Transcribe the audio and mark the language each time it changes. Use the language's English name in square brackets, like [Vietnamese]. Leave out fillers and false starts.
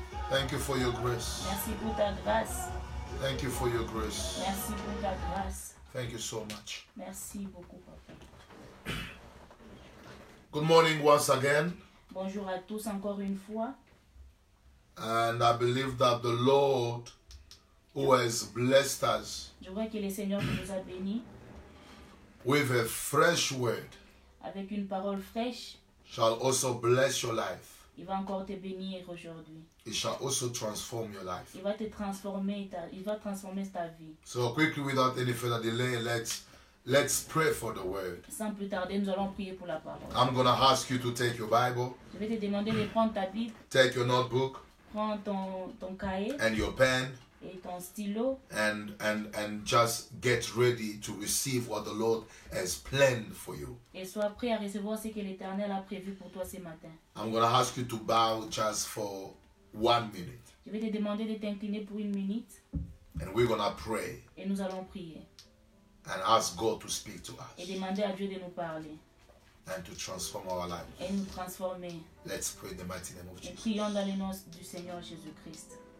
[English] Thank you for your grace. [French] Merci pour ta grâce. [English] Thank you for your grace. [French] Merci pour ta grâce. [English] Thank you so much. [French] Merci beaucoup, Papa. [English] Good morning once again. [French] Bonjour à tous encore une fois. [English] And I believe that the Lord who has blessed us [French] je vois que le Seigneur nous a bénis [English] with a fresh word [French] avec une parole fraîche [English] shall also bless your life. [French] Il va encore te bénir aujourd'hui. [English] It shall also transform your life. [French] Il va te transformer, il va transformer ta vie. [English] So quickly, without any further delay, let's pray for the word. [French] Sans plus tarder, nous allons prier pour la parole. [English] I'm going to ask you to take your Bible. [French] Je vais te demander de prendre ta Bible. [English] Take your notebook. [French] Prends ton cahier. [English] And your pen. [French] Et ton stylo. [English] And just get ready to receive what the Lord has planned for you. [French] Et sois prêt à recevoir ce que l'Éternel a prévu pour toi ce matin. [English] I'm going to ask you to bow just for 1 minute. [French] Je vais te demander de t'incliner pour 1 minute. [English] And we're going to pray. [French] Et nous allons prier. [English] And ask God to speak to us. [French] Et demander à Dieu de nous parler. [English] And to transform our lives. [French] Et nous transformer. [English] Let's pray in the mighty name of Jesus. [French] Et prions dans le nom du Seigneur Jésus Christ.